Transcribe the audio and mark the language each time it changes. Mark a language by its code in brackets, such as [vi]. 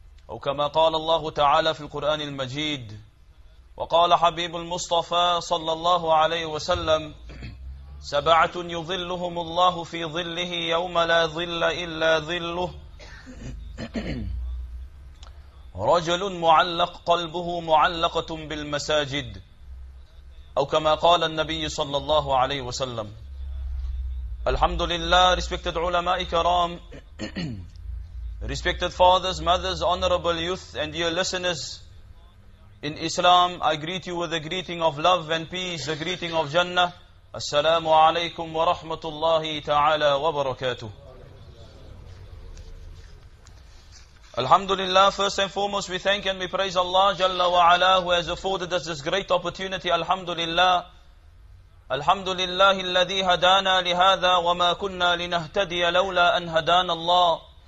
[ar] أو كما قال الله تعالى في القرآن المجيد وقال حبيب المصطفى صلى الله عليه وسلم سبعة يظلهم الله في ظله يوم لا ظل إلا ظله: رجل معلق قلبه معلقة بالمساجد، أو كما قال النبي صلى الله عليه وسلم. [en] Alhamdulillah, respected ulama ikram, respected fathers, mothers, honorable youth, and dear listeners in Islam, I greet you with the greeting of love and peace, the greeting of Jannah. [ar] Assalamu alaikum wa rahmatullahi ta'ala wa barakatuh. [en] Alhamdulillah, first and foremost, we thank and we praise Allah Jalla wa Ala, who has afforded us this great opportunity. [ar] Alhamdulillah. الحمد لله الذي هدانا لهذا وما كنا لنهتدي لولا أن هدانا الله.